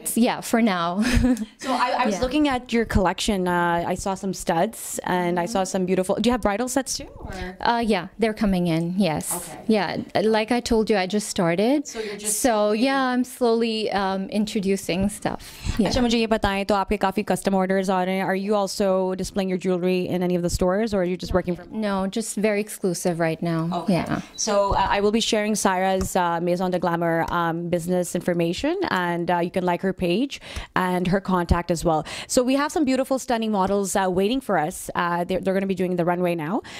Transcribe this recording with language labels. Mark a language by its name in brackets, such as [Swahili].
[English] It's, yeah, for now. So I was looking at your collection. I saw some studs and I saw some beautiful. Do you have bridal sets too? Yeah, they're coming in. Yes. Okay. Yeah, like I told you, I just started. I'm slowly introducing stuff. [Hindi] अच्छा मुझे ये बताएं तो आपके काफी custom orders आ रहे हैं. [English] Are you also displaying your jewelry in any of the stores or are you just working for? No, just very exclusive right now. Okay. Yeah. So I will be sharing Syrah's Maison De Glamor business information and you can like her page and her contact as well. So we have some beautiful stunning models waiting for us. They're going to be doing the runway now.